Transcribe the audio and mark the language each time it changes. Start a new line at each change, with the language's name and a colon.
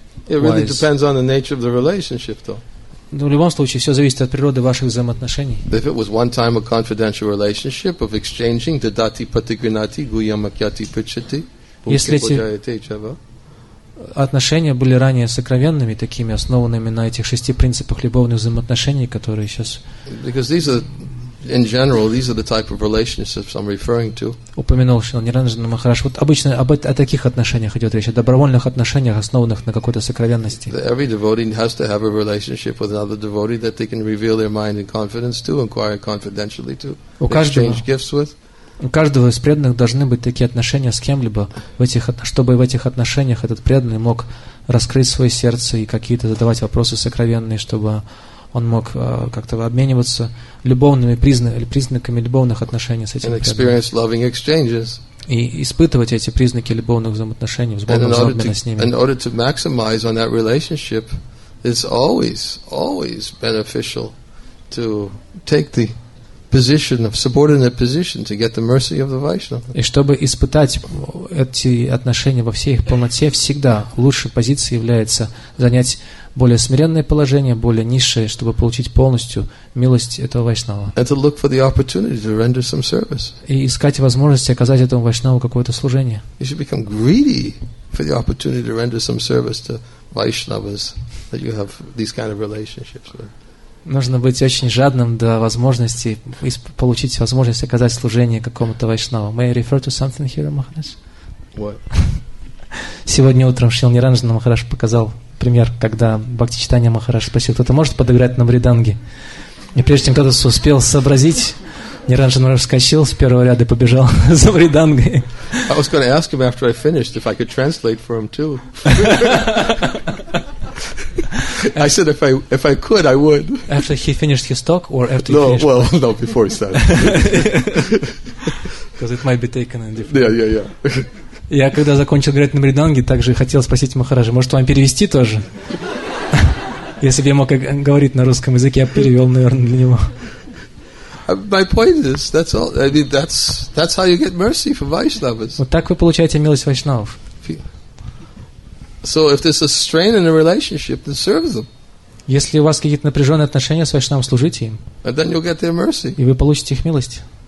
English: It really depends on the nature of the relationship, though.
Russian: Но в любом случае, все зависит от природы ваших взаимоотношений.
English: If it was one time a confidential relationship of exchanging the dati patigrinati guyamakyati pichati,
Russian: если эти отношения были ранее сокровенными, такими, основанными на этих шести принципах любовных взаимоотношений, которые сейчас...
English: Because these are, in general, these are the type of relationships I'm referring to.
Russian: Упомянул Ширанджана Махараш. Вот обычно о таких отношениях идет речь, о добровольных отношениях, основанных на какой-то сокровенности.
English: Every devotee has to have a relationship with another devotee that they can reveal their mind and confidence to, inquire confidentially to, exchange gifts with.
Russian: У каждого из преданных должны быть такие отношения с кем-либо, чтобы в этих отношениях этот преданный мог раскрыть свое сердце и какие-то задавать вопросы сокровенные, чтобы он мог как-то обмениваться любовными признаками любовных отношений с этим преданным. И испытывать эти признаки любовных взаимоотношений, взаимного обмена с ними.
English: In order to maximize on that relationship, it's always, always beneficial to take the position of subordinate position to get the mercy of the Vaishnava.
Russian: И чтобы испытать эти отношения во всей их полноте, всегда лучшей позицией является занять более смиренное положение, более низшее, чтобы получить полностью милость этого Вайшнава.
English: And to look for the opportunity to render some service.
Russian: И искать возможности оказать этому Вайшнаву какое-то служение.
English: You should become greedy for the opportunity to render some service to Vaishnavas that you have these kind of relationships with.
Russian: Нужно быть очень жадным до возможности получить возможность оказать служение какому-то вайшнаву.
English: May I refer to something here, Махараш? What?
Russian: Сегодня утром Шрила Ниранджана Махараш показал пример, когда Бхакти Чайтанья Махараш спросил, кто-то может подыграть на мриданге? И прежде чем кто-то успел сообразить, Ниранджана Махараш вскочил с первого ряда и побежал за мридангой.
English: I was going to ask him after I finished if I could translate for him too. I said if I could, I would. After he finished his talk or after no, he finished? Well, no, before he started. Because it might be taken in different. Yeah.
Russian: Я когда закончил играть на мриданге, также хотел спросить Махараджа, может вам перевести тоже? Если бы я мог говорить на русском языке, я бы перевел, наверное, для него.
English: My point is, that's all. I mean, that's how you get mercy from Vaishnavas.
Russian: Вот так вы получаете милость вайшнавов.
English: So if there's a strain in a relationship, then serve them.
Russian: Если у вас какие-то напряженные отношения с вайшнавом, служите им.
English: And then you'll get their mercy.
Russian: И вы получите их милость.